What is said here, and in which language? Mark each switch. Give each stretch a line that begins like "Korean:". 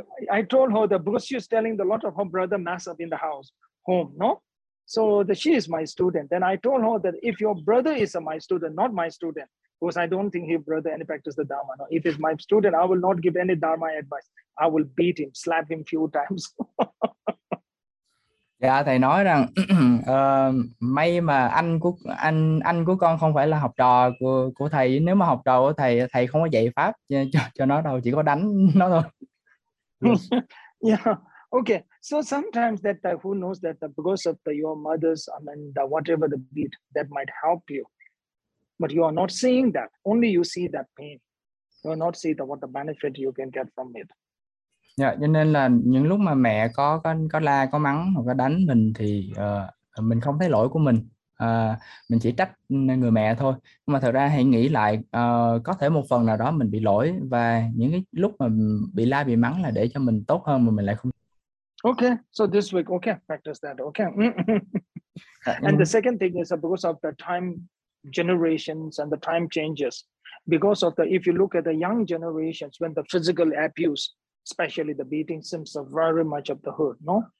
English: I told her that because she is telling the lot of her brother mess up in the house, home, no? So that she is my student. Then I told her that if your brother is a my student, not my student, because I don't think he brother any practice the Dharma. No? If he's my student, I will not give any Dharma advice. I will beat him, slap him few times.
Vietnamese: Dạ thầy nói rằng may mà anh của con không phải là học trò của thầy. Nếu mà học trò của thầy, thầy không có dạy pháp cho nó đâu, chỉ có đánh nó thôi.
English: Okay. So sometimes that who knows that the because of the your mother's I mean the whatever the beat that might help you, but you are not seeing that. Only you see that pain. You are not see the what the benefit you can get from it.
Vietnamese: Dạ, cho nên là những lúc mà mẹ có la có mắng hoặc có đánh mình thì mình không thấy lỗi của mình chỉ trách người mẹ thôi. Nhưng mà thật ra hãy nghĩ lại, có thể một phần nào đó mình bị lỗi, và những cái lúc mà bị la bị mắng là để cho mình tốt hơn mà mình lại không.
English: Okay, so this week, okay, practice that, okay.
Vietnamese: Dạ,
English: And the second thing is because of the time generations and the time changes. Because of the, if you look at the young generations, when the physical abuse, especially the beating, seems very much of the hood, no?